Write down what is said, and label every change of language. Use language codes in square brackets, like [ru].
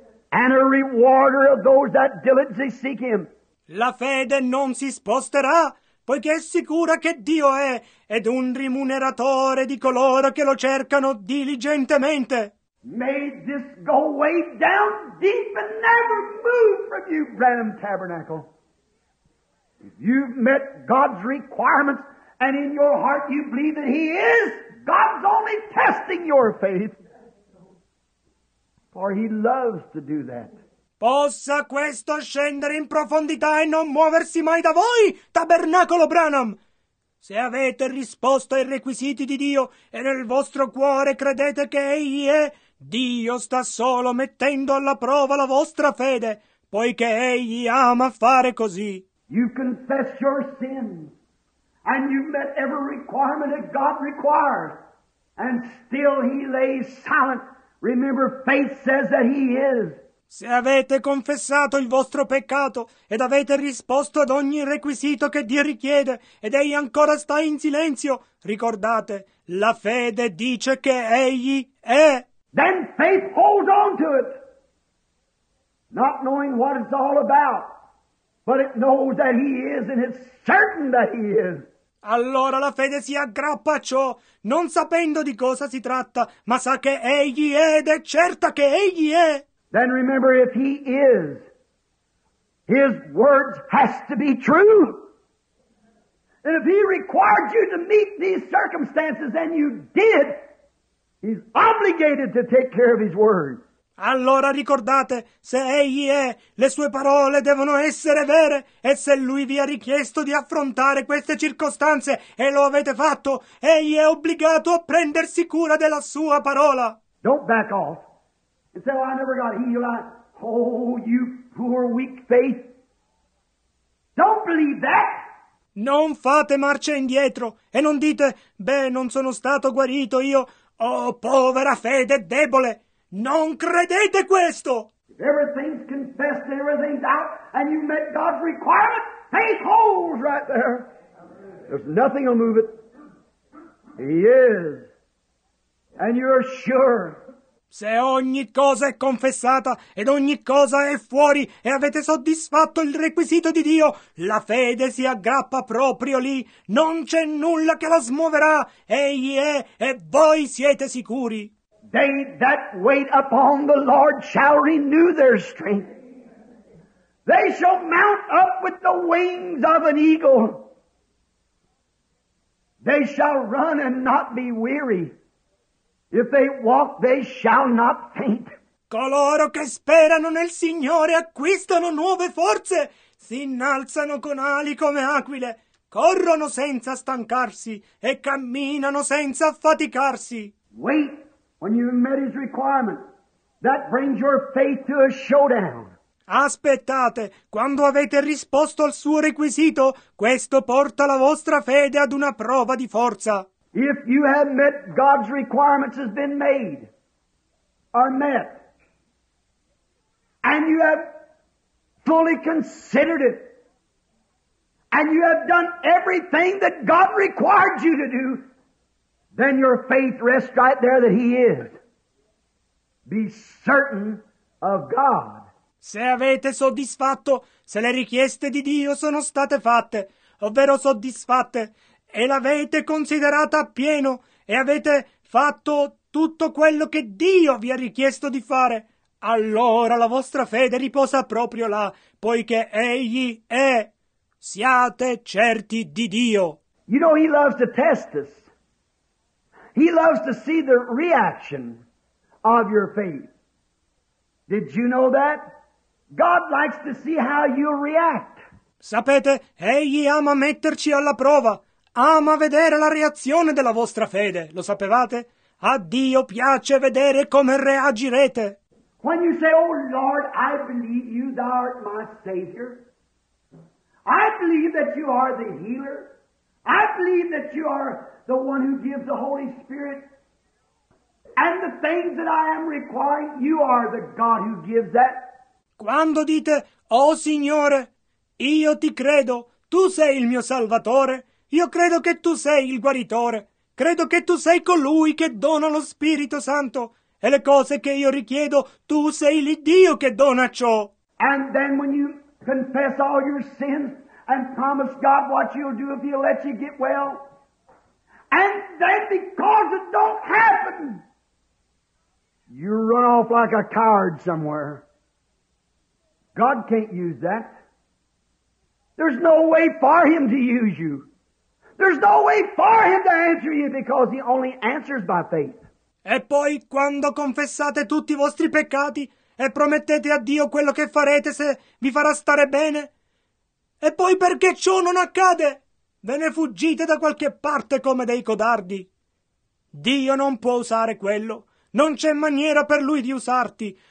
[en] And a rewarder of those that diligently seek him. [it] La fede non si sposterà. Poiché è sicura che Dio è. Ed un rimuneratore di coloro che lo cercano diligentemente. [en] May this go way down deep and never move from you, Branham Tabernacle. If you've met God's requirements and in your heart you believe that he is, God's only testing your faith. For he loves to do that. [it] Possa questo scendere in profondità e non muoversi mai da voi, Tabernacolo Branham! Se avete risposto ai requisiti di Dio e nel vostro cuore credete che egli è, Dio sta solo mettendo alla prova la vostra fede, poiché egli ama fare così. [en] You confess your sins, and you've met every requirement that God requires, and still he lays silent. Remember, faith says that he is. [it] Se avete confessato il vostro peccato ed avete risposto ad ogni requisito che Dio richiede ed egli ancora sta in silenzio, ricordate, la fede dice che egli è. [en] Then faith holds on to it, not knowing what it's all about, but it knows that he is and it's certain that he is. [it] Allora la fede si aggrappa a ciò, non sapendo di cosa si tratta, ma sa che egli è ed è certa che egli è. [en] Then remember, if he is, his word has to be true. And if he required you to meet these circumstances, and you did, he's obligated to take care of his word. [it] Allora ricordate, se egli è, le sue parole devono essere vere, e se lui vi ha richiesto di affrontare queste circostanze e lo avete fatto, egli è obbligato a prendersi cura della sua parola. [en] Don't back off. And say, "Oh, I never got healed." Oh, you poor, weak faith. Don't believe that. [it] Non fate marcia indietro e non dite, "Beh, non sono stato guarito io." Oh, povera fede debole. Non credete questo. [en] If everything's confessed and everything's out and you met God's requirement, faith holds right there. There's nothing will move it. He is. And you're sure. [it] Se ogni cosa è confessata ed ogni cosa è fuori e avete soddisfatto il requisito di Dio, la fede si aggrappa proprio lì. Non c'è nulla che la smuoverà. Egli è e voi siete sicuri. [en] They that wait upon the Lord shall renew their strength. They shall mount up with the wings of an eagle. They shall run and not be weary. If they walk, they shall not faint. [it] Coloro che sperano nel Signore acquistano nuove forze, si innalzano con ali come aquile, corrono senza stancarsi e camminano senza affaticarsi. [en] Wait, when you've met his requirement, that brings your faith to a showdown. [it] Aspettate, quando avete risposto al suo requisito, questo porta la vostra fede ad una prova di forza. [en] If you have met God's requirements has been made, are met, and you have fully considered it, and you have done everything that God required you to do, then your faith rests right there that He is. Be certain of God. [it] Se avete soddisfatto, se le richieste di Dio sono state fatte, ovvero soddisfatte, e l'avete considerata appieno, e avete fatto tutto quello che Dio vi ha richiesto di fare, allora la vostra fede riposa proprio là, poiché Egli è. Siate certi di Dio. [en] You know, He loves to test us. He loves to see the reaction of your faith. Did you know that? God likes to see how you react. [it] Sapete, Egli ama metterci alla prova. Ama vedere la reazione della vostra fede. Lo sapevate? A Dio piace vedere come reagirete. [en] When you say, "Oh Lord, I believe you, thou art my Savior. I believe that you are the healer. I believe that you are the one who gives the Holy Spirit. And the things that I am requiring, you are the God who gives that." [it] Quando dite, "Oh Signore, io ti credo, tu sei il mio Salvatore, io credo che tu sei il guaritore, credo che tu sei colui che dona lo Spirito Santo, e le cose che io richiedo, tu sei il Dio che dona ciò." [en] And then when you confess all your sins and promise God what you'll do if He'll let you get well, and then because it don't happen, you run off like a coward somewhere. God can't use that. There's no way for Him to use you. There's no way for Him to answer you because He only answers by faith. [it] E poi, quando confessate tutti i vostri peccati e promettete a Dio quello che farete se vi farà stare bene, e poi perché ciò non accade, ve ne fuggite da qualche parte come dei codardi. Dio non può usare quello. Non c'è maniera per Lui di usarti.